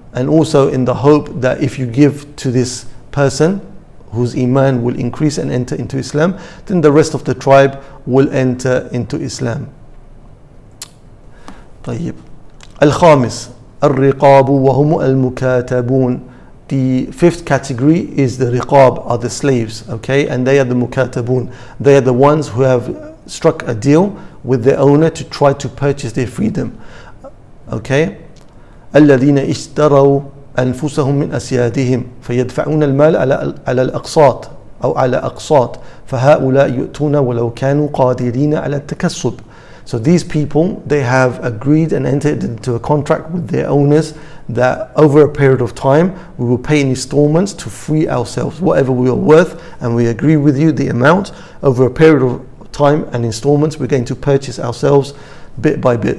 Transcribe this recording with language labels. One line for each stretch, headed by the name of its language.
English: And also in the hope that if you give to this person whose iman will increase and enter into Islam, then the rest of the tribe will enter into Islam. طيب.
Arabic: الخامس الرقاب وهم المكاتبون.
English: The fifth category is the riqab, are the slaves. Okay, and they are the mukatabun. They are the ones who have struck a deal with their owner to try to purchase their freedom. Okay.
Arabic: الذين اشتروا أنفسهم من أسيادهم فيدفعون المال على الأقساط أو على أقساط فهؤلاء يؤتون ولو كانوا قادرين على التكسب.
English: So these people, they have agreed and entered into a contract with their owners that over a period of time we will pay in installments to free ourselves whatever we are worth, and we agree with you the amount over a period of time and installments we're going to purchase ourselves bit by bit.